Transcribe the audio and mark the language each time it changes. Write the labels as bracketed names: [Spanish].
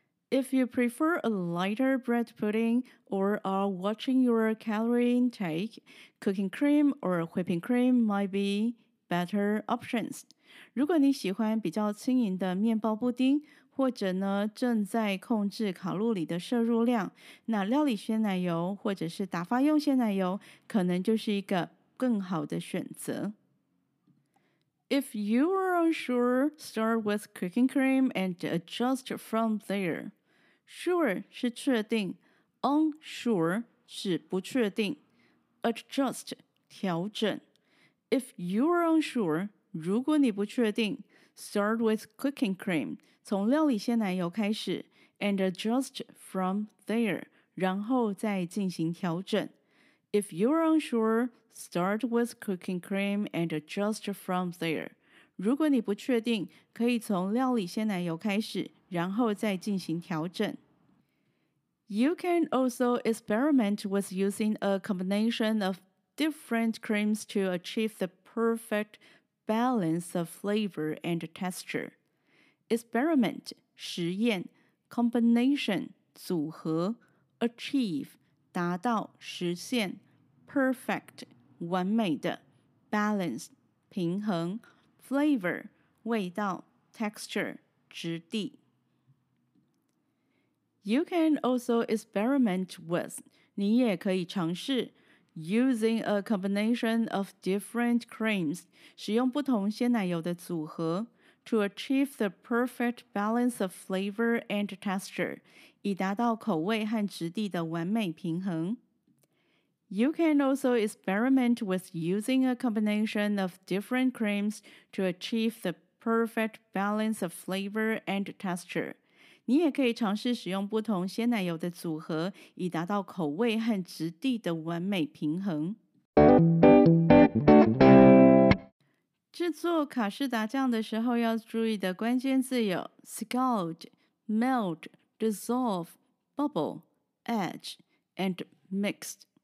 [English] If you prefer a lighter bread pudding or are watching your calorie intake, cooking cream or whipping cream might be better options. [Chinese] 如果你喜欢比较轻盈的面包布丁，或者呢正在控制卡路里的摄入量，那料理鲜奶油或者是打发用鲜奶油可能就是一个更好的选择。 [English] If you are unsure, start with cooking cream and adjust from there. [Chinese] Sure 是确定， unsure 是不确定， adjust 调整。 [English] If you are unsure, 如果你不确定， start with cooking cream， [Chinese] 从料理鲜奶油开始， and adjust from there，然后再进行调整。 [English] If you're unsure, start with cooking cream and adjust from there. [Chinese] 如果你不确定，可以从料理鲜奶油开始，然后再进行调整。 [English] You can also experiment with using a combination of different creams to achieve the perfect balance of flavor and texture. [Chinese] Experiment, 实验 combination, 组合 achieve,达到实现 perfect 完美的 balance 平衡 flavor 味道 texture 质地。 [English] You can also experiment with [Chinese] 你也可以尝试 [English] using a combination of different creams [Chinese] 使用不同鲜奶油的组合 [English] to achieve the perfect balance of flavor and texture [Chinese] 以达到口味和质地的完美平衡。 [English] You can also experiment with using a combination of different creams to achieve the perfect balance of flavor and texture. [Chinese] 你也可以尝试使用不同鲜奶油的组合，以达到口味和质地的完美平衡。制作卡士达酱的时候要注意的关键字有 scald, melt,Dissolve, bubble, edge, and mixed.